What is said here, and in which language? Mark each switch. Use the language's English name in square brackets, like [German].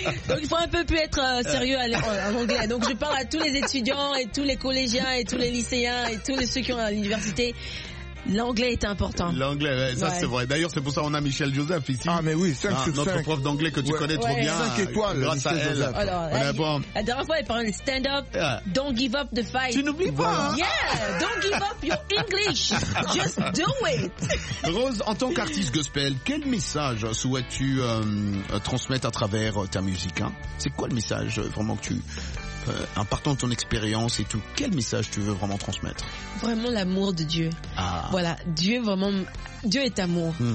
[French] Donc il faut un peu plus être sérieux en anglais. Donc je parle à tous les étudiants et tous les collégiens et tous les lycéens et tous ceux qui ont à l'université. L'anglais est important. L'anglais, ouais, ça c'est vrai. D'ailleurs, c'est pour ça qu'on a Michel Joseph ici. Ah, mais oui, 5 sur 5. Notre prof d'anglais que tu connais trop bien. 5 étoiles, grâce à elle. Alors, la dernière fois, elle parlait de stand-up. [English] Yeah. Don't give up the fight. [French] Tu n'oublies pas. Hein. [English] Yeah, don't give up your English. Just do it. [French] Rose, en tant qu'artiste gospel, quel message souhaites-tu transmettre à travers ta musique, hein? C'est quoi le message vraiment que tu... en partant de ton expérience et tout, quel message tu veux vraiment transmettre? Vraiment l'amour de Dieu. Ah. Voilà, Dieu est amour.